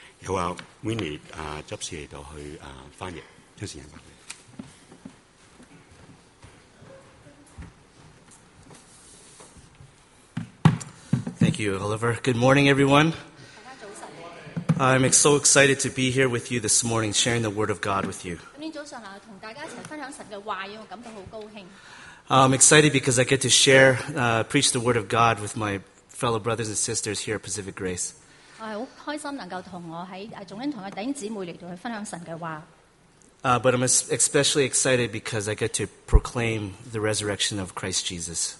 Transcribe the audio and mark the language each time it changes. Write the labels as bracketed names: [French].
[Cantonese] 有阿 Winnie 啊执事嚟到去翻译，将时间交俾你。 [English] Thank you, Oliver. Good morning, everyone. I'm so excited to be here with you this morning, sharing the Word of God with you. [Cantonese] 今天早上啊，同大家一齐分享神嘅话语，我感到好高兴。 [English] I'm excited because I get to share, preach the Word of God with my fellow brothers and sisters here at Pacific Grace. But I'm especially excited because I get to proclaim the resurrection of Christ Jesus